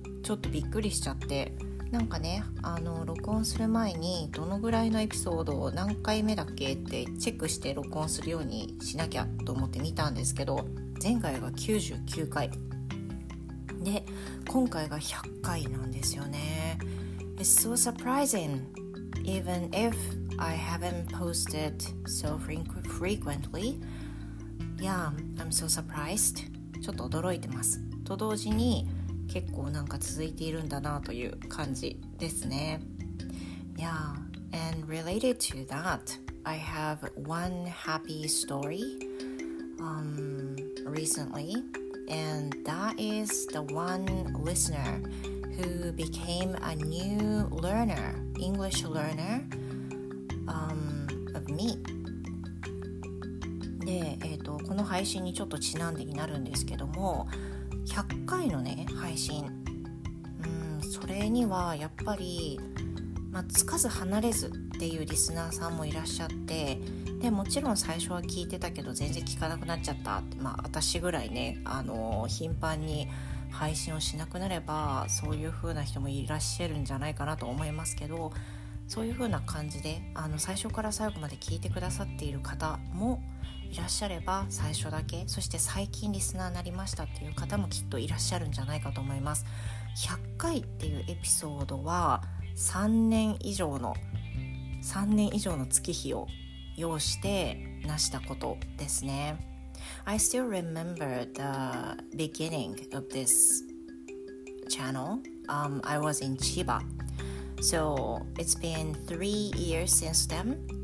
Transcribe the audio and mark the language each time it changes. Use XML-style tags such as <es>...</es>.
<ja>ちょっとびっくりしちゃって、なんかね、録音する前にどのぐらいのエピソードを何回目だっけってチェックして録音するようにしなきゃと思って見たんですけど、前回が99回で、今回が100回なんですよね。</ja> <en>It's so surprising even ifI haven't posted so frequently. Yeah, I'm so surprised.</en> <ja>ちょっと驚いてます。と同時に結構なんか続いているんだなという感じですね。</ja> <en>Yeah, and related to that, I have one happy story recently, and that is the one listener who became a new learner, English learner.</en> <ja>で、この配信にちょっとちなんでになるんですけども、100回のね配信、それにはやっぱり、つかず離れずっていうリスナーさんもいらっしゃって、でもちろん最初は聞いてたけど全然聞かなくなっちゃったって、私ぐらいね、頻繁に配信をしなくなればそういう風な人もいらっしゃるんじゃないかなと思いますけど、そういう風な感じで最初から最後まで聞いてくださっている方もいらっしゃれば、最初だけ、そして最近リスナーになりましたっていう方もきっといらっしゃるんじゃないかと思います。 100回っていうエピソードは3年以上の月日を要して成したことですね。</ja> <en>I still remember the beginning of this channel. I was in ChibaSo it's been 3 years since then.</en>